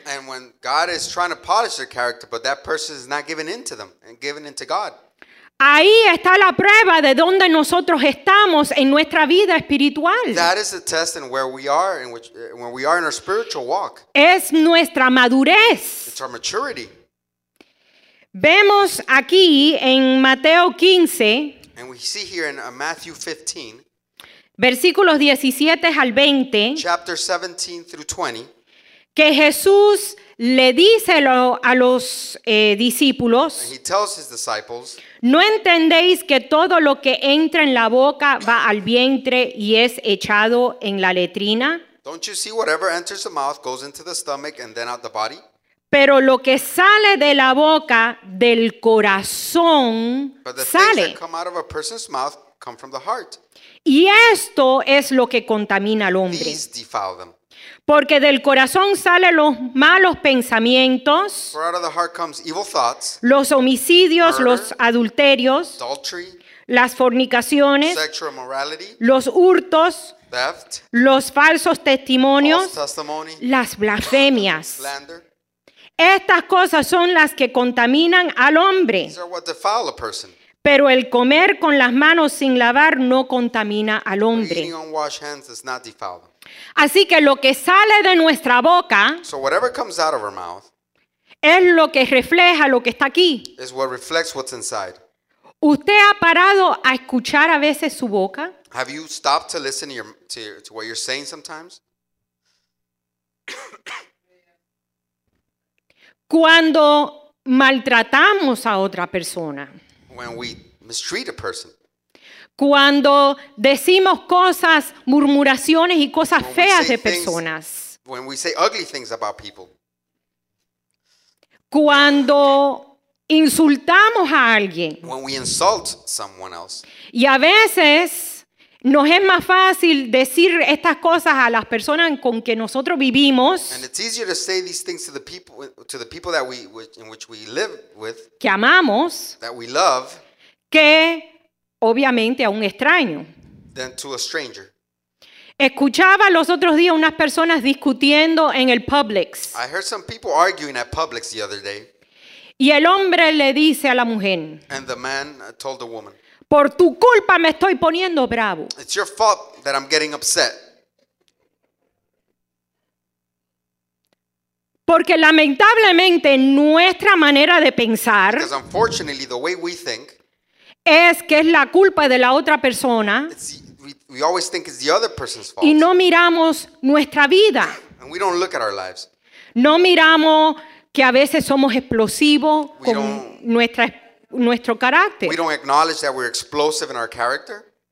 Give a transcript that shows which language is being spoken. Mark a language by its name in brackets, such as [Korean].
[English] And when God is trying to polish their character, but that person is not giving in to them and giving in to God. [Spanish] Ahí está la prueba de dónde nosotros estamos en nuestra vida espiritual. [English] That is the test in where we are, in which, when we are in our spiritual walk. [Spanish] Es nuestra madurez. [English] It's our maturity. [Spanish] Vemos aquí en Mateo 15. [English] And we see here in Matthew 15. [Spanish] Versículos 17 al 20. [English] Chapter 17 through 20. [Spanish] Que Jesús le dice a los discípulos. [English] And he tells his disciples. [Spanish] No entendéis que todo lo que entra en la boca va al vientre y es echado en la letrina. [English] Don't you see whatever enters the mouth goes into the stomach and then out the body? [Spanish] Pero lo que sale de la boca del corazón sale. [English] But the [Spanish] sale. [English] Things that come out of a person's mouth come from the heart. [Spanish] Y esto es lo que contamina al hombre. [English] These defile them. [Spanish] Porque del corazón salen los malos pensamientos, [English] for out of the heart comes evil thoughts, [Spanish] los homicidios, [English] murder, [Spanish] los adulterios, [English] adultery, [Spanish] las fornicaciones, [English] sexual immorality, [Spanish] los hurtos, [English] theft, [Spanish] los falsos testimonios, [English] false testimony, [Spanish] las blasfemias. [English] Slander. [Spanish] Estas cosas son las que contaminan al hombre. [English] These are what defile a person. [Spanish] Pero el comer con las manos sin lavar no contamina al hombre. [English] Eating unwashed hands does not defile them. [Spanish] Así que lo que sale de nuestra boca, [English] so whatever comes out of our mouth, [Spanish] es lo que refleja lo que está aquí. [English] Is what reflects what's inside. [Spanish] ¿Usted ha parado a escuchar a veces su boca? [English] Have you stopped to listen to what you're saying sometimes? [Spanish] Cuando maltratamos a otra persona. [English] When we mistreat a person. [Spanish] Cuando decimos cosas, murmuraciones y cosas feas de personas. [English] When we say ugly things about people. [Spanish] Cuando insultamos a alguien. [English] When we insult someone else. [Spanish] Y a veces nos es más fácil decir estas cosas a las personas con que nosotros vivimos. [English] And it's easier to say these things to the people that we in which we live with. [Spanish] Que amamos. [English] That we love. [Spanish] Que obviamente a un extraño. [English] Than to a stranger. [Spanish] Escuchaba los otros días unas personas discutiendo en el Publix. [English] I heard some people arguing at Publix the other day. [Spanish] Y el hombre le dice a la mujer. [English] And the man told the woman. [Spanish] Por tu culpa me estoy poniendo bravo. [English] It's your fault that I'm getting upset. [Spanish] Porque lamentablemente nuestra manera de pensar. [English] Because unfortunately the way we think. [Spanish] Es que es la culpa de la otra persona. [English] We always think it's the other person's fault. [Spanish] Y no miramos nuestra vida. [English] And we don't look at our lives. [Spanish] No miramos que a veces somos explosivos con nuestro carácter. [English] We don't acknowledge that we're explosive in our character.